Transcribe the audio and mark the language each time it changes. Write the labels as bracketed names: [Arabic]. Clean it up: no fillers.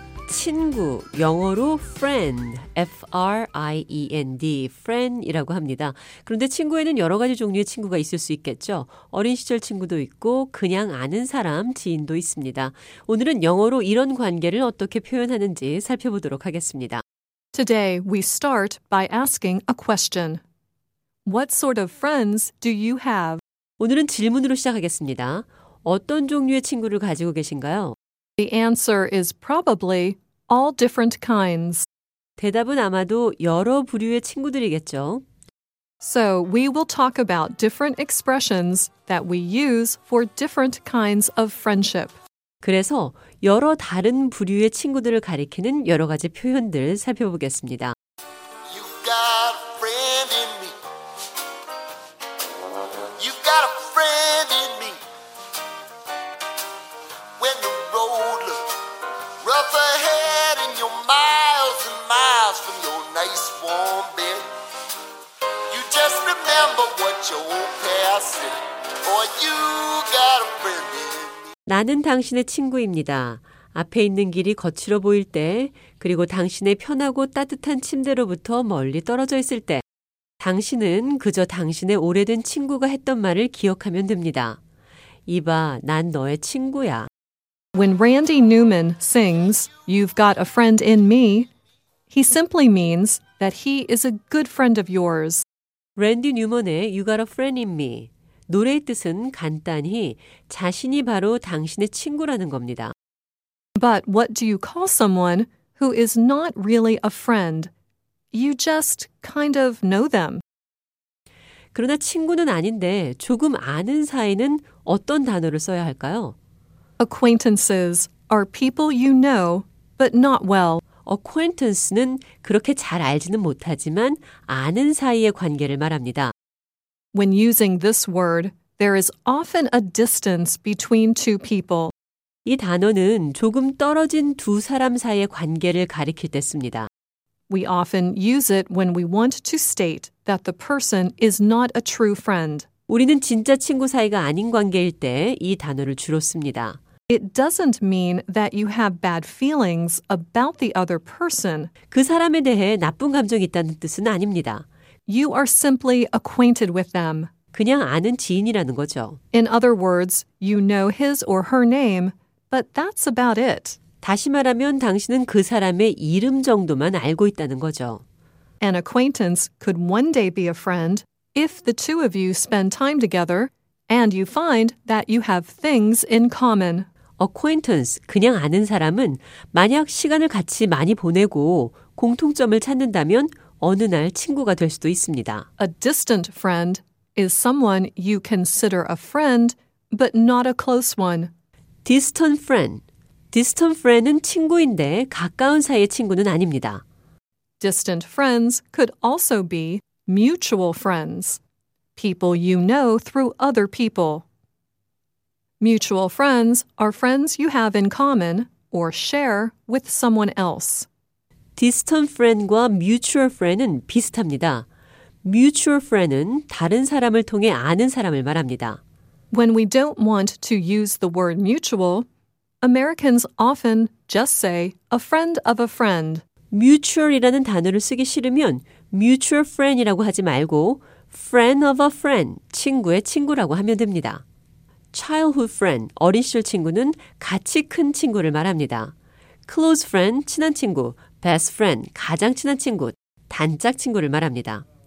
[Korean] 친구, 영어로 friend, F-R-I-E-N-D, friend이라고 합니다. 그런데 친구에는 여러 가지 종류의 친구가 있을 수 있겠죠. 어린 시절 친구도 있고 그냥 아는 사람, 지인도 있습니다. 오늘은 영어로 이런 관계를 어떻게 표현하는지 살펴보도록 하겠습니다. [English] Today we start by asking a question. What sort of friends do you have? [Korean] 오늘은 질문으로 시작하겠습니다. 어떤 종류의 친구를 가지고 계신가요? [English] The answer is probably all different kinds. [Korean] 대답은 아마도 여러 부류의 친구들이겠죠. [English] So we will talk about different expressions that we use for different kinds of friendship. [Korean] 그래서 여러 다른 부류의 친구들을 가리키는 여러 가지 표현들 살펴보겠습니다. [English] You got a friend in me. You got a friend in me. When the road looks rough ahead and you're miles and miles from your nice warm bed, you just remember what your past said. Or you got a friend in me. [Korean] 나는 당신의 친구입니다. 앞에 있는 길이 거칠어 보일 때, 그리고 당신의 편하고 따뜻한 침대로부터 멀리 떨어져 있을 때, 당신은 그저 당신의 오래된 친구가 했던 말을 기억하면 됩니다. 이봐, 난 너의 친구야. [English] When Randy Newman sings, You've Got a Friend in Me, He simply means that he is a good friend of yours. [Korean] Randy Newman의 You Got a Friend in Me. 노래의 뜻은 간단히 자신이 바로 당신의 친구라는 겁니다. [English] But what do you call someone who is not really a friend? You just kind of know them. [Korean] 그러나 친구는 아닌데 조금 아는 사이는 어떤 단어를 써야 할까요? [English] Acquaintances are people you know, but not well. [Korean] Acquaintance는 그렇게 잘 알지는 못하지만 아는 사이의 관계를 말합니다. [English] When using this word, there is often a distance between two people. [Korean] 이 단어는 조금 떨어진 두 사람 사이의 관계를 가리킬 때 씁니다. [English] We often use it when we want to state that the person is not a true friend. [Korean] 우리는 진짜 친구 사이가 아닌 관계일 때 이 단어를 주로 씁니다. [English] It doesn't mean that you have bad feelings about the other person. [Korean] 그 사람에 대해 나쁜 감정이 있다는 뜻은 아닙니다. [English] You are simply acquainted with them. [Korean] 그냥 아는 지인이라는 거죠. [English] In other words, you know his or her name, but that's about it. [Korean] 다시 말하면 당신은 그 사람의 이름 정도만 알고 있다는 거죠. [English] An acquaintance could one day be a friend if the two of you spend time together and you find that you have things in common. [Korean] Acquaintance, 그냥 아는 사람은 만약 시간을 같이 많이 보내고 공통점을 찾는다면 어느 날 친구가 될 수도 있습니다. [English] A distant friend is someone you consider a friend, but not a close one. Distant friend. [Korean] Distant friend은 친구인데 가까운 사이의 친구는 아닙니다. [English] Distant friends could also be mutual friends, people you know through other people. Mutual friends are friends you have in common or share with someone else. [Korean] Distant friend과 mutual friend은 비슷합니다. Mutual friend은 다른 사람을 통해 아는 사람을 말합니다. [English] When we don't want to use the word mutual, Americans often just say a friend of a friend. [Korean] Mutual이라는 단어를 쓰기 싫으면 mutual friend이라고 하지 말고 [English] friend of a friend, [Korean] 친구의 친구라고 하면 됩니다. Childhood friend, 어린 시절 친구는 같이 큰 친구를 말합니다. Close friend, 친한 친구. Best friend, 가장 친한 친구, 단짝 친구를 말합니다.